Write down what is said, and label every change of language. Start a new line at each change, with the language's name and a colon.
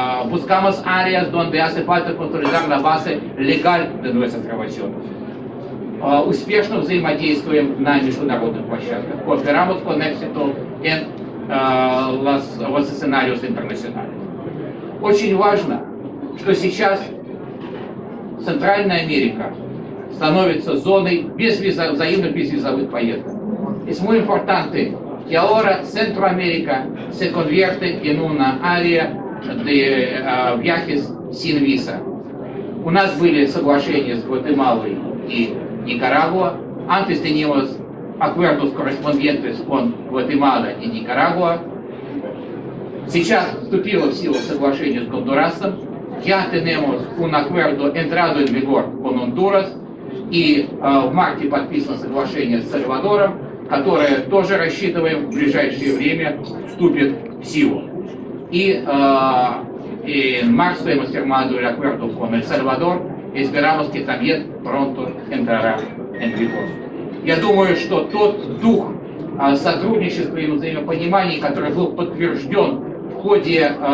Spanish: Buscamos áreas donde hace falta consolidar la base legal de nuestras relaciones.
Russian: Успешно взаимодействуем на международных площадках.
Spanish: Cooperamos con éxito en los escenarios internacionales.
Russian: Очень важно, что сейчас Центральная Америка становится зоной взаимных безвизовых поездок.
Spanish: Es muy importante que ahora Centroamérica se convierte en una área de viajes sin visa.
Russian: У нас были соглашения с Гватемалой и Никарагуа.
Spanish: Antes teníamos acuerdos correspondientes con Гватемала и Никарагуа.
Russian: Сейчас вступило в силу соглашение с Гондурасом.
Spanish: Ya tenemos un acuerdo entrado en vigor con Honduras y
Russian: в марте подписано соглашение с Сальвадором, которое тоже рассчитываем в ближайшее время вступит в силу.
Spanish: И en marzo hemos firmado el acuerdo con El Salvador, esperamos que también pronto entrará en vigor.
Russian: Я думаю, что тот дух сотрудничества и взаимопонимания, который был подтвержден в ходе